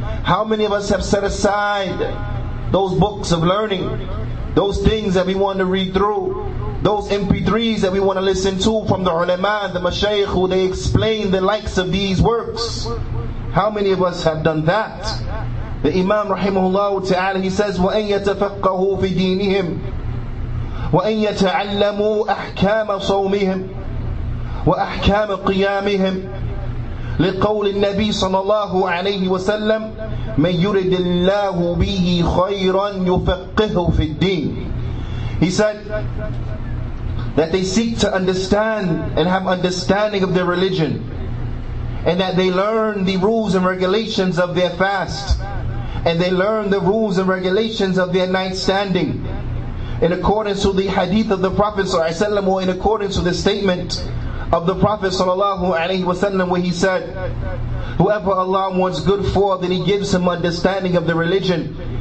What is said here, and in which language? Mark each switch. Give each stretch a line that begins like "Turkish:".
English: How many of us have set aside those books of learning, those things that we want to read through, those MP3s that we want to listen to from the ulama, the mashaykh, who they explain the likes of these works? How many of us have done that? The Imam rahimahullah ta'ala, he says,
Arabic: وَأَن يَتَفَقَّهُوا فِي دِينِهِمْ. وأن يتعلموا أحكام صومهم وأحكام قيامهم لقول النبي صلى الله عليه وسلم من يرد الله به خيرا يفقهه في الدين.
English: He said that they seek to understand and have understanding of their religion, and that they learn the rules and regulations of their fast, and they learn the rules and regulations of their nightstanding, in accordance with the hadith of the Prophet ﷺ, or in accordance with the statement of the Prophet ﷺ, where he said, whoever Allah wants good for, then He gives him understanding of the religion.